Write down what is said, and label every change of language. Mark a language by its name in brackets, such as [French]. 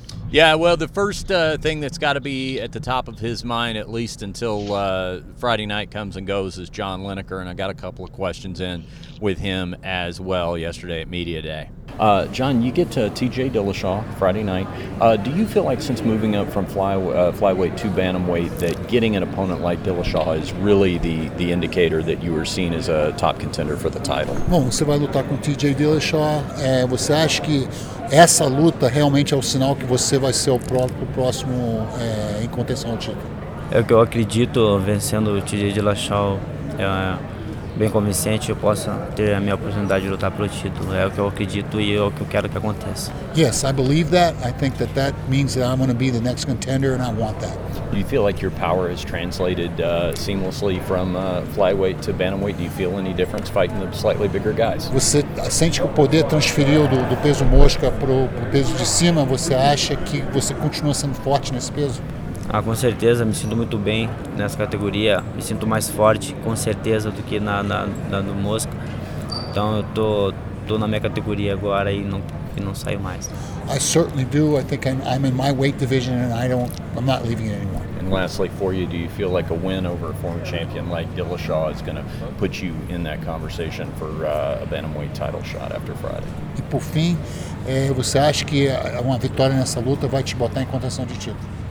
[English] Yeah, well, the first thing that's got to be at the top of his mind, at least until Friday night comes and goes, is John Lineker, and I got a couple of questions in with him as well yesterday at Media Day. John, you get to TJ Dillashaw Friday night. Do you feel like since moving up from flyweight to bantamweight that getting an opponent like Dillashaw is really the indicator that you were seen as a top contender for the title? [Portuguese] Bom, você vai lutar com TJ Dillashaw. Você acha que essa luta realmente é o sinal que você vai ser o próximo em contenção ao título? É o que eu acredito, vencendo o TJ Dillashaw. Bem convincente, eu possa ter a minha oportunidade de lutar pelo título. É o que eu acredito e é o que eu quero que aconteça. [English] Yes, I believe that. I think that that means that I'm going to be the next contender, and I want that. Do you feel like your power has translated seamlessly from flyweight to bantamweight? Do you feel any difference fighting the slightly bigger guys? [Portuguese] Você sente que o poder transferiu do peso mosca pro peso de cima? Você acha que você continua sendo forte nesse peso? Ah, com certeza, me sinto muito bem nessa categoria, me sinto mais forte, com certeza, do que na do mosca. Então eu tô na minha categoria agora e não saio mais. [English] I certainly do. I think I'm in my weight division and I'm not leaving it anymore. And lastly for you, do you feel like a win over a former champion like Dillashaw is going to put you in that conversation for a bantamweight title shot after Friday? [Portuguese] E por fim, você acha que uma vitória nessa luta vai te botar em contenção de título?